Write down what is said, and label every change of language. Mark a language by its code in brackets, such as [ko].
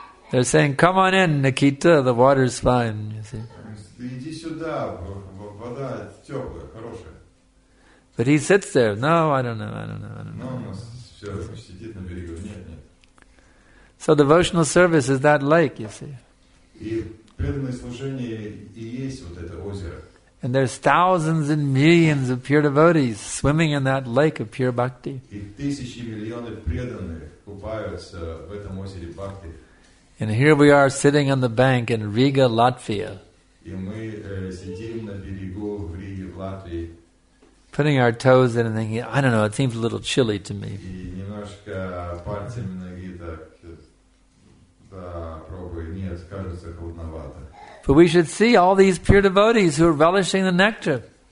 [en] They're saying, come on in, Nikita, the water's fine, you see. But he sits there, no, I don't know. No, no, [ru] сидит на берегу, нет. [en] So devotional service is that lake, you see. [ru] И преданное служение и есть вот это озеро. [en] And there's thousands and millions of pure devotees swimming in that lake of pure bhakti. [ru] И тысячи миллионы преданных купаются в этом озере бхакти. [en] And here we are sitting on the bank in Riga, Latvia. [ru] И мы сидим на берегу в Риге, в Латвии. [en] Putting our toes in and thinking, I don't know, it seems a little chilly to me. But we should see all these pure devotees who are relishing the nectar.